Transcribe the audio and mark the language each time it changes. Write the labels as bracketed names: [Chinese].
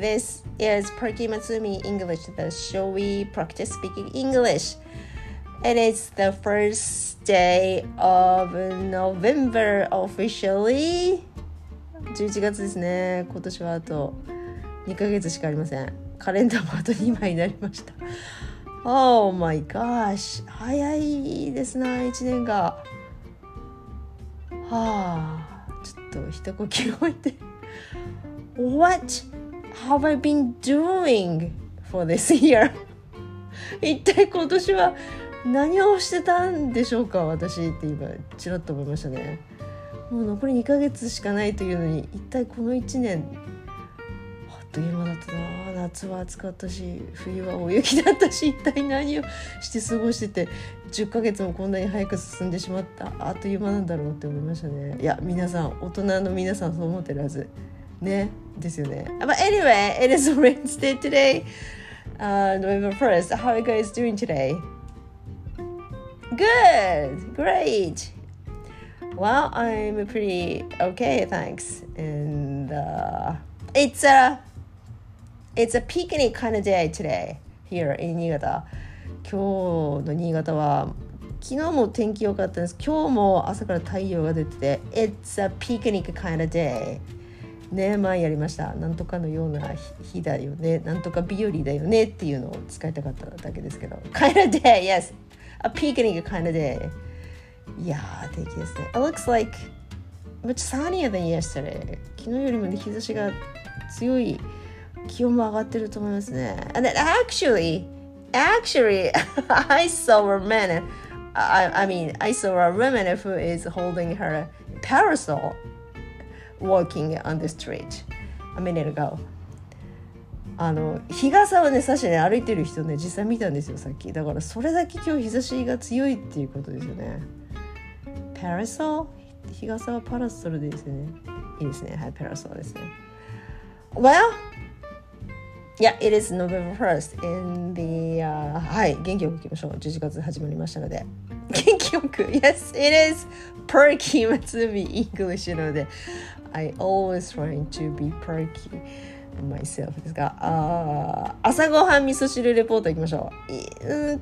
[English] This is Perky Matsumi English, the show we practice speaking English. And it's the first day of November officially. [Japanese] 11月ですね。今年はあと2ヶ月しかありません。カレンダーもあと2枚になりました。 [English] Oh my gosh. [Japanese] 早いですな、1年が。はあ、ちょっと一呼吸置いて。 [English] What have I been doing for this year? [Japanese] 一体今年は何をしてたんでしょうか、私って今ちらっと思いましたね。もう残り2ヶ月しかないというのに、一体この1年、あっという間だったな。夏は暑かったし、冬は大雪だったし、一体何をして過ごしてて10ヶ月もこんなに早く進んでしまった、あっという間なんだろうって思いましたね。いや、皆さん、大人の皆さんそう思ってるはずね、ですよね。 [English] But anyway, it is Wednesday today, November 1st. How are you guys doing today? Good! Great! Well, I'm pretty okay, thanks. And it's a picnic kind of day today here in 新潟。 [Japanese] 今日の新潟は、昨日も天気良かったんです。今日も朝から太陽が出てて、 [English] It's a picnic kind of day. [Japanese] ね、前やりました。なんとかのような日だよね、なんとか日和だよねっていうのを使いたかっただけですけど。 [English] Kind of day, yes. A picnic kind of day. [Japanese] いやー、天気ですね。 [English] It looks like much sunnier than yesterday. [Japanese] 昨日よりも、ね、日差しが強い、気温も上がってると思いますね。 [English] And then actually, I saw a woman who is holding her parasol. Walking on the street a minute ago. [Japanese] あの日傘はね、差してね、歩いてる人ね、実際見たんですよ、さっき。だからそれだけ今日日差しが強いっていうことですよね。パラソル、日傘はパラソルですね。いいですね、はい、パラソルですね。 [English] Well, yeah, it is November 1st in the, [Japanese] はい、元気よくいきましょう。 11月始まりましたので。元気よく、 [English] Yes, it is Perky Matsumi English [Japanese] なので。 [English] I always trying to be perky myself [Japanese] ですが、朝ごはん味噌汁レポートいきましょう。